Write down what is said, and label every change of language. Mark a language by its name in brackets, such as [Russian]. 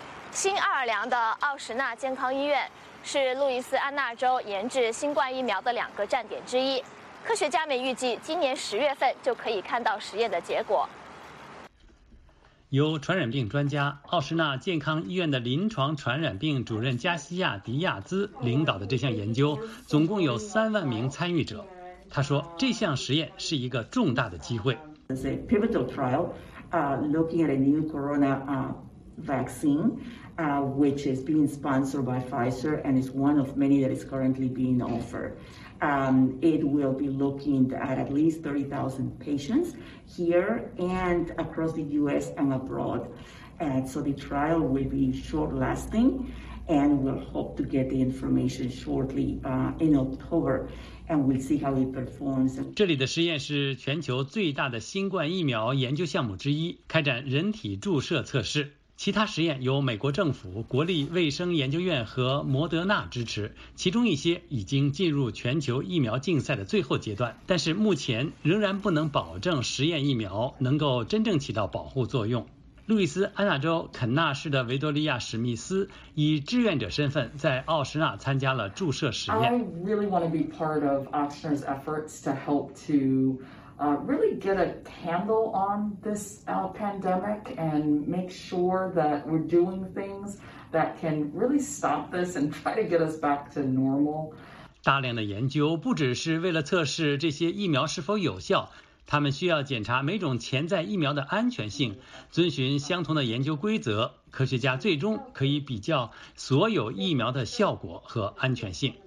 [Chinese] 新奥尔良的奥什纳健康医院是路易斯安那州研制新冠疫苗的两个站点之一，科学家们预计今年十月份就可以看到实验的结果。由传染病专家、奥什纳健康医院的临床传染病主任加西亚·迪亚兹领导的这项研究，总共有30,000名参与者。他说，这项实验是一个重大的机会。 [English] It's a pivotal trial, looking at a new corona vaccine, which is being sponsored by Pfizer and is one of many that is currently being offered. It will be looking at least 30,000 patients here and across the U.S. and abroad. And so the trial will be short-lasting, and we'll hope to get the information shortly in October, and we'll see how it performs. [Chinese] 这里的实验是全球最大的新冠疫苗研究项目之一，开展人体注射测试。其他实验由美国政府、国立卫生研究院和摩德纳支持，其中一些已经进入全球疫苗竞赛的最后阶段，但是目前仍然不能保证实验疫苗能够真正起到保护作用。路易斯安那州肯纳市的维多利亚·史密斯以志愿者身份在奥什纳参加了注射实验。 [English] I really want to be part of Oxford's efforts to help toreally get a handle on this pandemic and make sure that we're doing things that can really stop this and try to get us back to normal. [Chinese] 大量的研究不只是为了测试这些疫苗是否有效，他们需要检查每种潜在疫苗的安全性，遵循相同的研究规则，科学家最终可以比较所有疫苗的效果和安全性。